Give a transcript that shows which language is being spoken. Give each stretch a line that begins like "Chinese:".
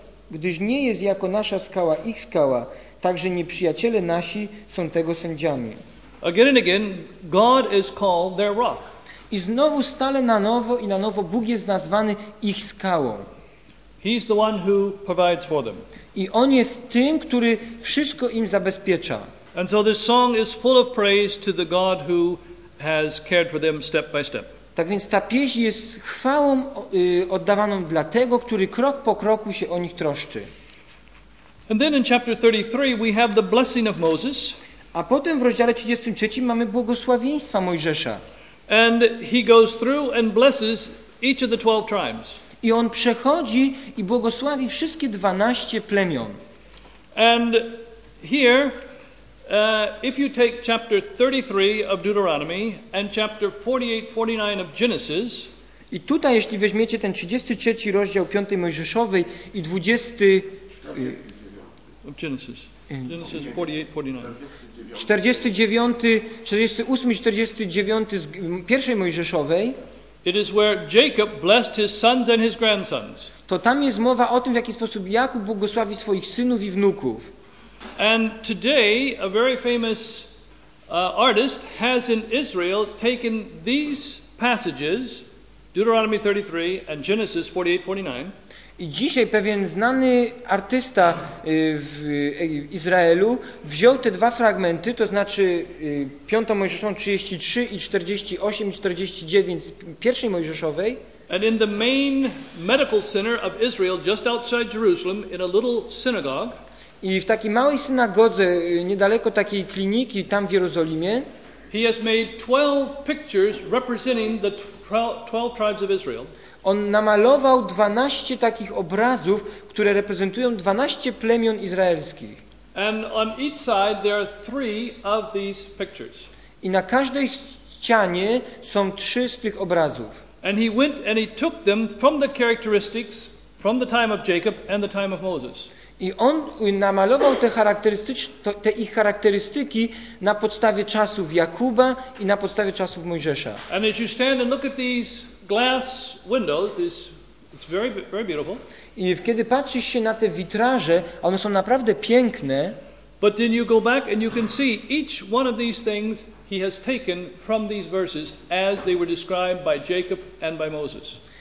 Polish: Gdyż nie jest jako nasza skała ich skała, także nieprzyjaciele nasi są tego sędziami.
English: Again and again, God is called their rock.
Polish: I znowu stale na nowo i na nowo Bóg jest nazwany ich skałą.
English: He's the one who provides for them.
Polish: I on jest tym, który wszystko im zabezpiecza.
English: And so this song is full of praise to the God who has cared for them step by step.
Polish: Tak więc ta pieśń jest chwałą oddawaną dla tego, który krok po kroku się o nich troszczy.
English: And then in chapter 33 we have the blessing of Moses.
Polish: A potem w rozdziale 33 mamy błogosławieństwa Mojżesza.
English: And he goes through and blesses each of the 12 tribes.
Polish: I on przechodzi i błogosławi wszystkie 12 plemion.
English: And here if you take chapter 33 of Deuteronomy and chapter 48-49 of Genesis,
Polish: i tutaj jeśli weźmiecie ten 33 rozdział 5 Mojżeszowej i 48-49 z pierwszej Mojżeszowej,
English: it is where Jacob blessed his sons and his grandsons.
Polish: To tam jest mowa o tym, w jaki sposób Jakub błogosławi swoich synów i wnuków.
English: And today a very famous artist has in Israel taken these passages, Deuteronomy 33 and Genesis 48-49.
Polish: I dzisiaj pewien znany artysta w Izraelu wziął te dwa fragmenty, to znaczy 5 Mojżeszową 33 i 48 i 49 z pierwszej Mojżeszowej.
English: And in the main medical center of Israel, just outside Jerusalem, in a little synagogue.
Polish: I w takiej małej synagodze, niedaleko takiej kliniki, tam w Jerozolimie.
English: He has made 12 pictures representing the 12 tribes of Israel.
Polish: On namalował 12 takich obrazów, które reprezentują 12 plemion izraelskich.
English: And on each side there are three of these pictures.
Polish: I na każdej ścianie są 3 z tych obrazów.
English: And he went and he took them from the characteristics from the time of Jacob and the time of Moses.
Polish: I on namalował te ich charakterystyki na podstawie czasów Jakuba i na podstawie czasów Mojżesza.
English: And as you stand and look at these glass windows, it's very, very beautiful.
Polish: I kiedy patrzysz się na te witraże, one są naprawdę piękne.
English: But then you go back and you can see each one of these things he has taken from these verses as they were described by Jacob and by Moses.